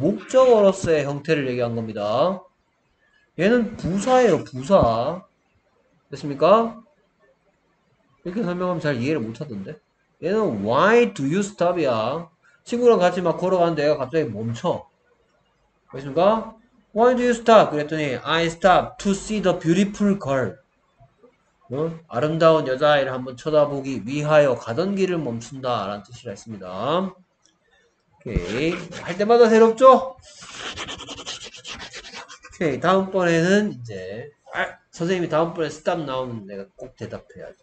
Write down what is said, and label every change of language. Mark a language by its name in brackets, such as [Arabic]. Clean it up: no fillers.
[Korean] 목적어로서의 형태를 얘기한 겁니다. 얘는 부사예요, 부사. 됐습니까? 이렇게 설명하면 잘 이해를 못하던데. 얘는 [English] why do you stop [Korean] 이야? 친구랑 같이 막 걸어가는데 얘가 갑자기 멈춰. 됐습니까? [English] Why do you stop? [Korean] 그랬더니 [English] I stop to see the beautiful girl. [Korean] 응? 아름다운 여자아이를 한번 쳐다보기 위하여 가던 길을 멈춘다 라는 뜻이라 했습니다. 오케이. 할 때마다 새롭죠? 오케이. 다음번에는 이제 아, 선생님이 다음번에 stop 나오면 내가 꼭 대답해야지.